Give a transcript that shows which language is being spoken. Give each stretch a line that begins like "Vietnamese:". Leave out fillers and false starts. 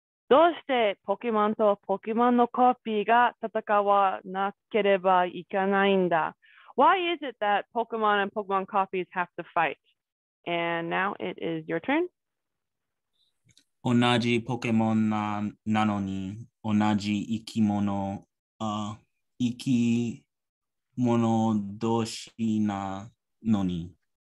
Japanese: どうしてポケモンとポケモンのコピーが戦わなければいけないんだ?
English: Why is it that Pokemon and Pokemon copies have to fight? And now it is your turn.
Japanese: 同じポケモンなのに、同じ生き物、生き物同士なのに。